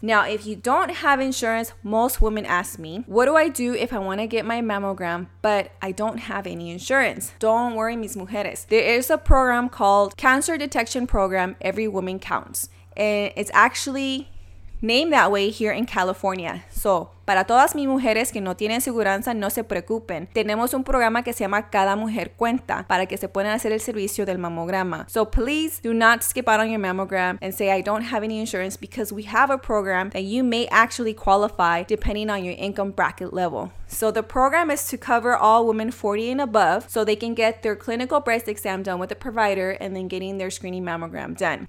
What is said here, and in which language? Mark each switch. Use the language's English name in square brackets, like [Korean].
[English] Now, if you don't have insurance, most women ask me, what do I do if I want to get my mammogram, but I don't have any insurance? Don't worry, [Spanish] mis mujeres. [English] There is a program called Cancer Detection Program, Every Woman Counts. And it's actually named that way here in California. [Spanish] So, para todas mis mujeres que no tienen seguranza, no se preocupen. Tenemos un programa que se llama Cada Mujer Cuenta para que se puedan hacer el servicio del mamograma. [English] So please do not skip out on your mammogram and say, I don't have any insurance, because we have a program that you may actually qualify depending on your income bracket level. So the program is to cover all women 40 and above so they can get their clinical breast exam done with a provider and then getting their screening mammogram done.